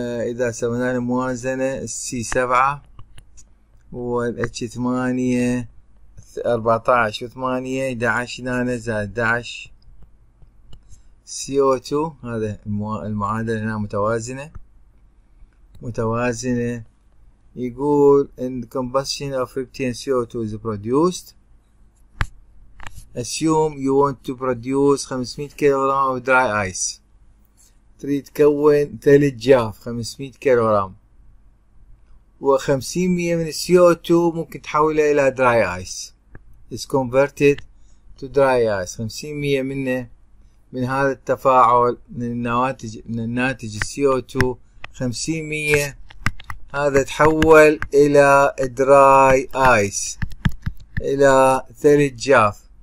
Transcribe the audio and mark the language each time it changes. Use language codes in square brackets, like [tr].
[ar] اذا سوينا الموازنة C7 والH8 14 و8 11 هنا زائد 11 CO2، هذا المعادلة هنا متوازنة. يقول [en] in combustion of 15 CO2 is produced. Assume you want to produce 500 kilogram of dry ice. [ar] تريد تكون ثلج جاف 500 كيلوغرام. و 50% من CO2 ممكن تحوله إلى dry ice. [en] It's converted to dry ice. [ar] 50% منه من هذا التفاعل من الناتج CO2 50% هذا تحول الى دراي ايس، الى ثلج جاف.